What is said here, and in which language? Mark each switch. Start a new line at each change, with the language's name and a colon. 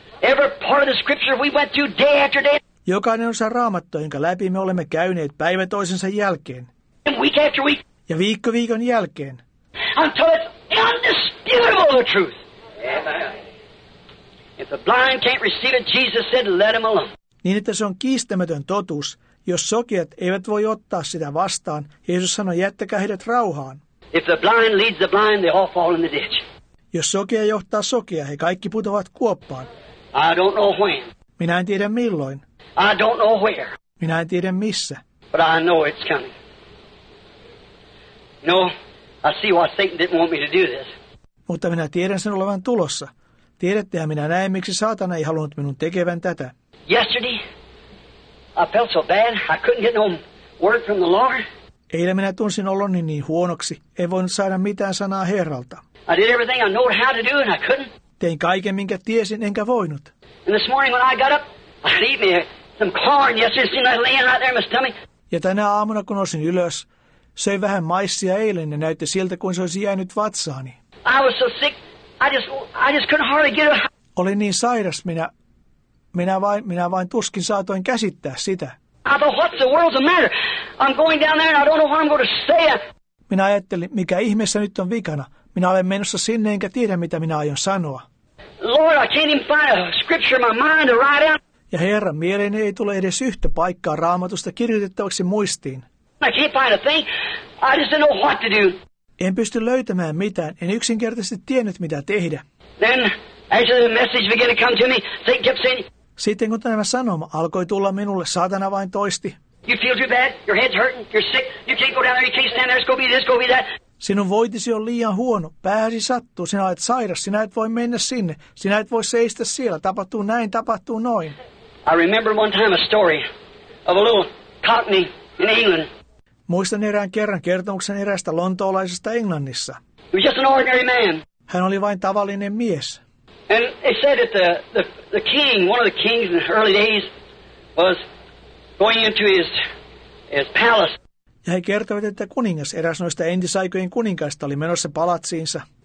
English: Every part of the scripture we went through day after day.
Finnish: Jokainen osa Raamattua, jonka läpi me olemme käyneet päivä toisensa jälkeen.
English: Week after week.
Finnish: Ja viikko viikon jälkeen.
English: Until it's undisputable the truth. If the blind can't receive it, Jesus said, let him alone.
Finnish: Niin, että se on kiistämätön totuus. Jos sokeat eivät voi ottaa sitä vastaan, Jeesus sanoi, jättäkää heidät rauhaan.
English: If the blind leads the blind, they all fall in the ditch.
Finnish: Jos sokea johtaa sokea, he kaikki putoavat kuoppaan.
English: I don't know when.
Finnish: Minä en tiedä milloin.
English: I don't know where.
Finnish: Minä en tiedä missä.
English: But I know it's coming. No, I see why Satan didn't want me to do this.
Finnish: Mutta minä tiedän sen olevan tulossa. Tiedättehän minä näin, miksi saatana ei halunnut minun tekevän tätä.
English: Yesterday, I felt so bad, I couldn't get no word from the Lord.
Finnish: Eilen minä tunsin oloni niin huonoksi, en voinut saada mitään sanaa Herralta.
English: I did everything I knew how to do and I couldn't.
Finnish: Tein kaiken, minkä tiesin, enkä voinut.
English: And this morning when I got up, I had eaten some corn yesterday, seen that laying right there in my stomach.
Finnish: Ja tänä aamuna, kun nousin ylös, söin vähän maissia eilen ja näytti siltä, kuin se olisi jäänyt vatsaani.
English: I was so sick, I just couldn't hardly get up.
Finnish: Olin niin sairas, minä vain tuskin saatoin käsittää sitä.
English: I thought, what's the world's matter? I'm going down there and I don't know what I'm going to say.
Finnish: Minä ajattelin, mikä ihmeessä nyt on vikana. Minä olen menossa sinne, enkä tiedä, mitä minä aion sanoa.
English: Lord, I can't even find a scripture in my mind to write down.
Finnish: Ja Herra, mieleeni ei tule edes yhtä paikkaa Raamatusta kirjoitettavaksi muistiin.
English: I can't find a thing. I just don't know what to do.
Finnish: En pysty löytämään mitään. En yksinkertaisesti tiennyt, mitä tehdä.
English: Then, as the message began to come to me, Satan kept saying.
Finnish: Sitten kun tämä sanoma alkoi tulla minulle, saatana vain toisti.
English: You feel too bad, your head's hurting, you're sick, you can't go down there, you can't stand there, it's gonna be this, gonna be that.
Finnish: Sinun voitisi on liian huono, pääsi sattuu, sinä olet sairas, sinä et voi mennä sinne, sinä et voi seistä siellä, tapahtuu näin, tapahtuu noin.
English: I remember one time a story of a little cockney in England.
Finnish: Muistan erään kerran kertomuksen erästä lontoolaisesta Englannissa.
English: He was just an ordinary man.
Finnish: Hän oli vain tavallinen mies.
English: And they said that the king, one of the kings in the early days, was going into his palace.
Finnish: Ja he kertoivat, että kuningas, eräs noista entisaikojen kuninkaista, oli menossa palatsiinsa.